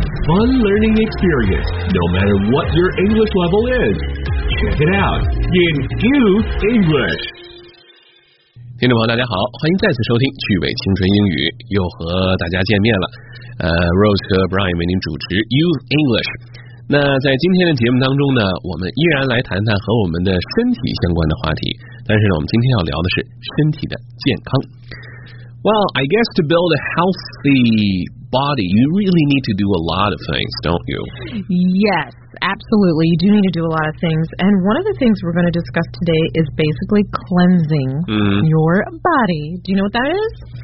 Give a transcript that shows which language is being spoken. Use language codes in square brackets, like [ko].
[en] Fun learning experience, no matter what your English level is. Check it out in Use English. [zh] 听众朋友大家好，欢迎再次收听趣味青春英语，又和大家见面了。 Rose 和 Brian 为您主持 Use English。那在今天的节目当中呢，我们依然来谈谈和我们的身体相关的话题，但是呢，我们今天要聊的是身体的健康。 [en] Well, I guess to build a healthy body, you really need to do a lot of things, don't you? Yes. Absolutely, you do need to do a lot of things. And one of the things we're going to discuss today is basically cleansing、your body. Do you know what that is?